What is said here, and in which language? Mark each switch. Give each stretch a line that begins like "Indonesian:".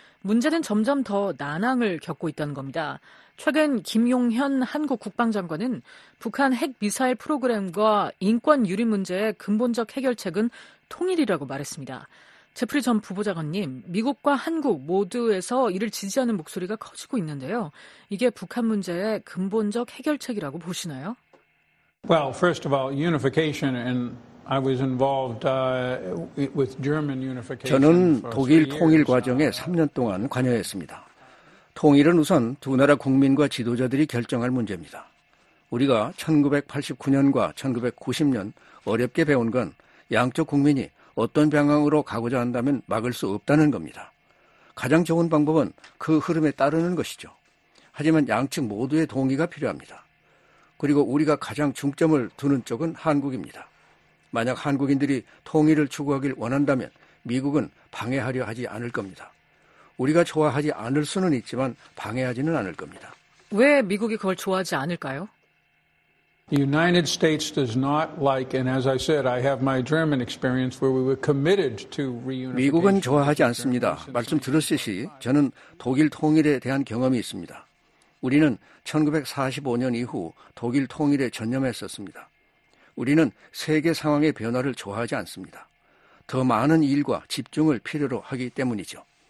Korean: 문제는 점점 더 난항을 겪고 있다는 겁니다. 최근 김용현 한국 국방장관은 북한 핵미사일 프로그램과 인권 유린 문제의 근본적 해결책은 통일이라고 말했습니다. 제프리 전 부보좌관님, 미국과 한국 모두에서 이를 지지하는 목소리가 커지고 있는데요. 이게 북한 문제의 근본적 해결책이라고 보시나요?
English: Well, first of all, unification and I was involved with German unification.
Korean: 저는 독일 통일 과정에 3년 동안 관여했습니다. 통일은 우선 두 나라 국민과 지도자들이 결정할 문제입니다. 우리가 1989년과 1990년 어렵게 배운 건 양쪽 국민이 어떤 방향으로 가고자 한다면 막을 수 없다는 겁니다. 가장 좋은 방법은 그 흐름에 따르는 것이죠. 하지만 양측 모두의 동의가 필요합니다. 그리고 우리가 가장 중점을 두는 쪽은 한국입니다. 만약 한국인들이 통일을 추구하길 원한다면 미국은 방해하려 하지 않을 겁니다. 우리가 좋아하지 않을 수는 있지만 방해하지는 않을 겁니다. 왜 미국이 그걸 좋아하지 않을까요?
English: The United States does not like, and as I said, I have my German experience where we were committed to reunification.
Korean: 미국은 좋아하지 않습니다. 말씀 들었듯이 저는 독일 통일에 대한 경험이 있습니다. 우리는 1945년 이후 독일 통일에 전념했었습니다. 우리는 세계 상황의 변화를 좋아하지 않습니다. 더 많은 일과 집중을 필요로 하기 때문이죠.